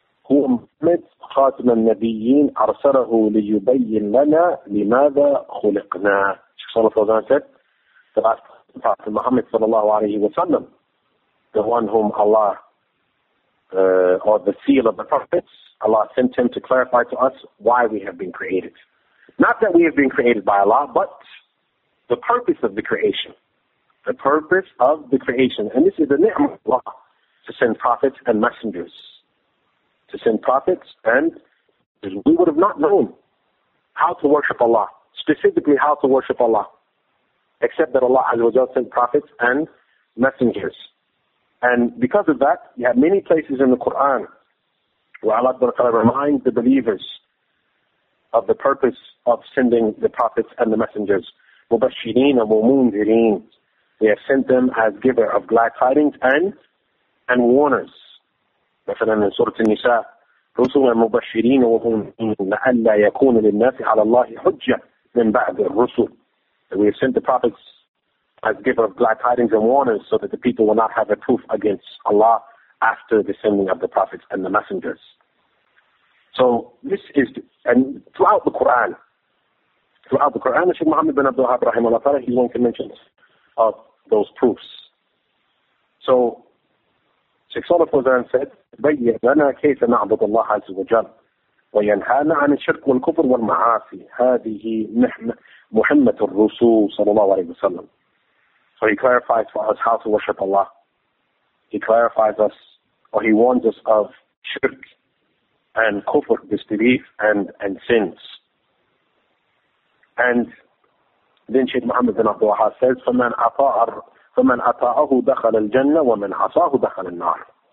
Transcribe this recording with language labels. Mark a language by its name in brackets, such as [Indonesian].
[Arabic] هو محمد خاتم النبيين أرسله ليبين لنا لماذا خلقنا. شيخ صلى الله عليه وسلم [English] said, the last prophet, Muhammad sallallahu alayhi wa sallam, the one whom Allah, or the seal of the prophets, Allah sent him to clarify to us why we have been created. Not that we have been created by Allah, but the purpose of the creation. The purpose of the creation. And this is the ni'mah of Allah, to send prophets and messengers. To send prophets, and we would have not known how to worship Allah, specifically how to worship Allah, except that Allah Azza wa Jalla sent prophets and messengers. And because of that, you have many places in the Quran where Allah Azza wa Jalla reminds the believers of the purpose of sending the prophets and the messengers. [Arabic] مبشرين ومنذرين. [English] We have sent them as giver of glad tidings and warners. [Arabic] مثلاً [English] in Surah An-Nisa, [Arabic] رُسُلًا مُبَشِّرِينَ وَهُمْ لَأَلَّا يَكُونَ لِلنَّاسِ عَلَى اللَّهِ حُجَّةٌ مِنْ بَعْدِ الرُّسُلِ. [English] We have sent the prophets as giver of glad tidings and warners so that the people will not have a proof against Allah after the sending of the prophets and the messengers. So this is, and throughout the Quran, the Shaykh Muhammad bin Abdul Wahhab rahimahullah ta'ala, he's going to mention of those proofs. So Shaykh Salaf Wazan said, [Arabic] بَيِّنْ لَنَا كَيْفَ نَعْبُدُ اللَّهَ عَزِّ وَجَلَّ وَيَنْهَانَ عَنِ الشِّرْكِ وَالْكُفْرِ وَالْمَعَاصِي هَذِهِ مُحَمَّدُ الرَّسُولِ صَلَى اللَّهُ عَلَيْهِ وَسَلَّمْ. [English] So he clarifies for us how to worship Allah. He clarifies us, or he warns us of shirk and kufr, disbelief and sins. And then Shaykh Muhammad bin Abdul Wahhab says, [Arabic] فَمَنْ أَطَاعَهُ دَخَلَ الْجَنَّةِ وَمَنْ عَصَاهُ دَخَلَ النَّارِ.